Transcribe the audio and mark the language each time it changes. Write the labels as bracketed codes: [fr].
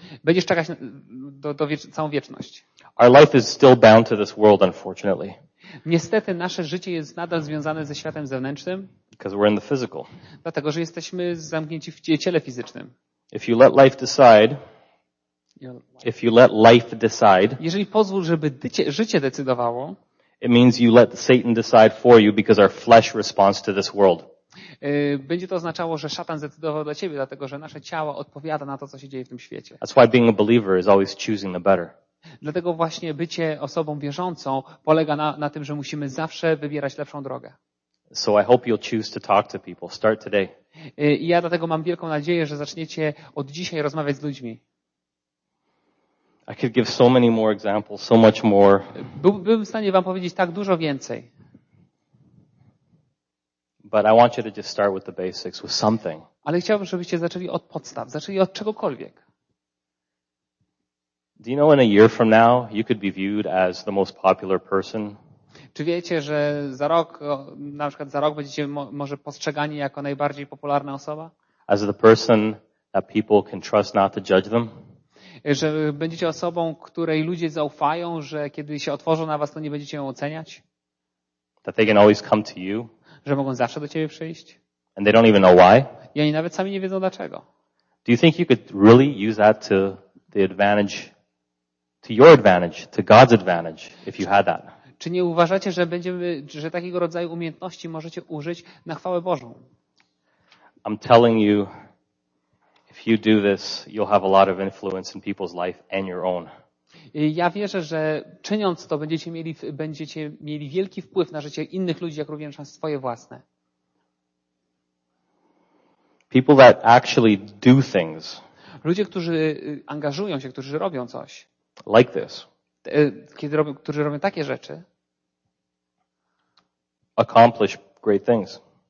[pl] Będziesz czekać całą wieczność. [en] Our life is still bound to this world, unfortunately. [pl] Niestety nasze życie jest nadal związane ze światem zewnętrznym. [en] Because we're in the physical. [pl] Dlatego, że jesteśmy zamknięci w ciele fizycznym. [en] If you let life decide, if you let life decide, [pl] jeżeli pozwól, żeby życie decydowało, [en] it means you let Satan decide for you because our flesh responds to this world. [pl] Będzie to oznaczało, że szatan zdecydował dla ciebie, dlatego że nasze ciało odpowiada na to, co się dzieje w tym świecie. [en] That's why being a believer is always choosing the better. [pl] Dlatego właśnie bycie osobą wierzącą polega na tym, że musimy zawsze wybierać lepszą drogę. [en] So I hope you'll choose to talk to people. Start today. [pl] I ja dlatego mam wielką nadzieję, że zaczniecie od dzisiaj rozmawiać z ludźmi. [en] I could give so many more examples, so much more. [pl] Byłbym w stanie wam powiedzieć tak dużo więcej. [en] But I want you to just start with the basics, with something. [pl] Ale chciałbym, żebyście zaczęli od podstaw, zaczęli od czegokolwiek. [en] Do you know in a year from now you could be viewed as the most popular person? [pl] Czy wiecie, że za rok, na przykład za rok będziecie może postrzegani jako najbardziej popularna osoba? [en] As the person that people can trust not to judge them? [pl] Że będziecie osobą, której ludzie zaufają, że kiedy się otworzą na was, to nie będziecie ją oceniać? [en] That they can always come to you? [pl] Że mogą zawsze do ciebie przyjść? [en] And they don't even know why? [pl] I oni nawet sami nie wiedzą dlaczego. [en] Do you think you could really use that to the advantage, to your advantage, to God's advantage, if you had that? [pl] Czy nie uważacie, że będziemy, że takiego rodzaju umiejętności możecie użyć na chwałę Bożą? [en] I'm telling you, if you do this, you'll have a lot of influence in people's life and your own. [pl] Ja wierzę, że czyniąc to będziecie mieli wielki wpływ na życie innych ludzi, jak również na swoje własne. [en] People that actually do things. [pl] Ludzie, którzy angażują się, którzy robią coś. [en] Like this. [pl] Którzy robią takie rzeczy. [en] Accomplish great things.